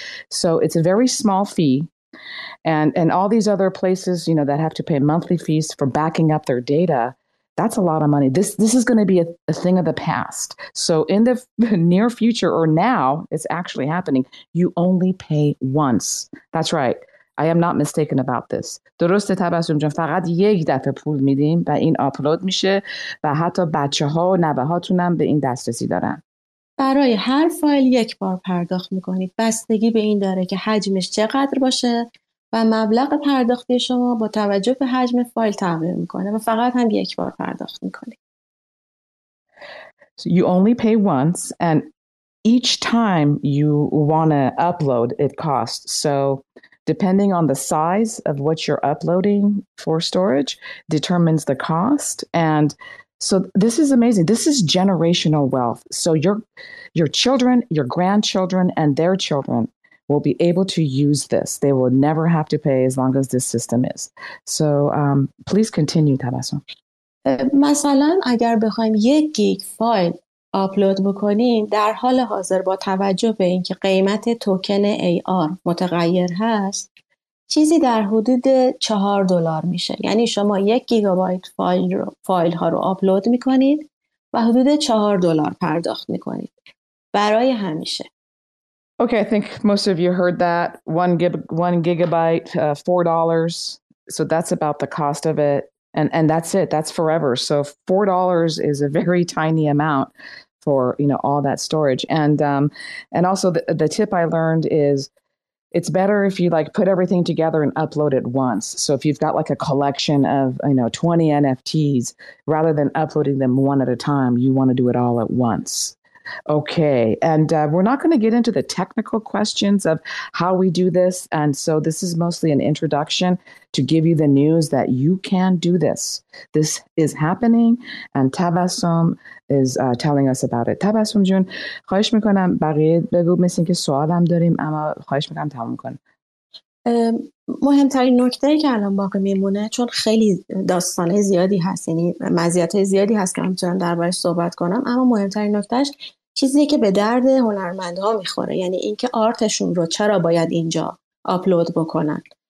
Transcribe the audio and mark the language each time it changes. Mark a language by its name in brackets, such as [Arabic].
[English] So it's a very small fee. And all these other places, you know, that have to pay monthly fees for backing up their data, that's a lot of money. This is going to be a thing of the past. So in the near future, or now, it's actually happening, you only pay once. That's right. I am not mistaken about this. [Persian] درسته تبسم جان، فقط یک دفعه پول میدیم و این آپلود میشه و حتی بچه ها و نوه هاتون هم به این دسترسی دارن. برای هر فایل یک بار پرداخت میکنید. بستگی به این داره که حجمش چقدر باشه و مبلغ پرداختی شما با توجه به حجم فایل تغییر میکنه و فقط هم یک بار پرداخت میکنید. [English] So you only pay once and each time you want to upload it costs. So depending on the size of what you're uploading for storage, determines the cost. And so this is amazing. This is generational wealth. So your children, your grandchildren, and their children will be able to use this. They will never have to pay as long as this system is. So please continue, Tabasso. [Persian] مثلا اگر بخوایم یک گیگ فایل آپلود بکنیم در حال حاضر با توجه به اینکه قیمت توکن AR متغیر هست چیزی در حدود 4 دلار میشه، یعنی شما یک گیگابایت فایل ها رو آپلود میکنید و حدود 4 دلار پرداخت میکنید برای همیشه. [English] Okay, I think most of you heard that. One gigabyte, $4. So that's about the cost of it. And that's it. That's forever. So $4 is a very tiny amount for, you know, all that storage. And also the tip I learned is it's better if you like put everything together and upload it once. So if you've got like a collection of, you know, 20 NFTs, rather than uploading them one at a time, you want to do it all at once. Okay. And we're not going to get into the technical questions of how we do this. And so this is mostly an introduction to give you the news that you can do this. This is happening. And Tabassum is telling us about it. [Persian] Tabassum Jun, خواهش میکنم بقیه بگو مثل اینکه سوال هم داریم اما خواهش میکنم تموم کن. مهمترین نکته که الان باقی میمونه، چون خیلی داستانه زیادی هست، یعنی مزیت زیادی هست که میتونم دربارش صحبت کنم، اما مهمترین نکتهش چیزی که به درد هنرمندها میخوره، یعنی اینکه آرتشون رو چرا باید اینجا آپلود بکنن.